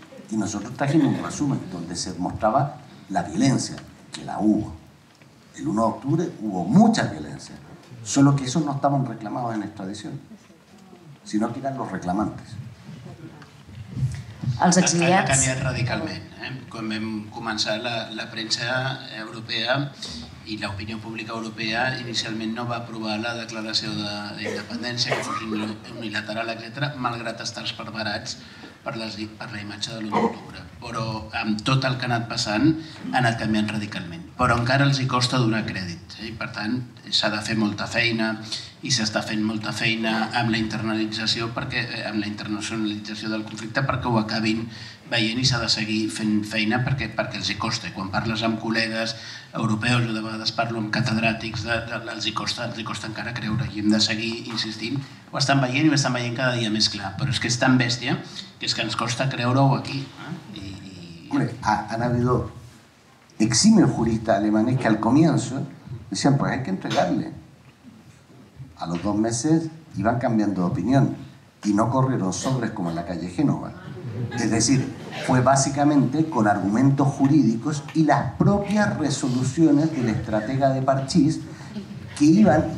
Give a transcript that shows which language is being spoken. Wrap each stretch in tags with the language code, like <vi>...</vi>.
<es>Y nosotros trajimos un resumen donde se mostraba la violencia, que la hubo. El 1 de octubre hubo mucha violencia, solo que esos no estaban reclamados en extradición, sino que eran los reclamantes.</es> <ca>Els exiliats... Ha canviat radicalment. Quan vam començar, la premsa europea i l'opinió pública europea inicialment no va aprovar la declaració d'independència, que fos unilateral, etc., malgrat estar preparats per la imatge de l'1 d'octubre. Però amb tot el que ha anat passant ha anat canviant radicalment. Però encara els hi costa donar crèdit. Per tant, s'ha de fer molta feina i s'està fent molta feina amb la internalització, perquè amb la internacionalització del conflicte, perquè ho acabin veient, i s'ha de seguir fent feina perquè els hi costa. Quan parles amb col·legues europeus, jo de vegades parlo amb catedràtics, els hi costa encara creure, i hem de seguir insistint. Ho estan veient i ho estan veient cada dia més clar, però és que és tan bèstia que és que ens costa creure-ho aquí.</ca> <es>Han habido eximios juristas alemanes que al comienzo decían, pues hay que entregarle. A los dos meses iban cambiando de opinión y no corrieron sobres como en la calle Génova. Es decir, fue básicamente con argumentos jurídicos y las propias resoluciones del estratega de Parchís que iban...</es>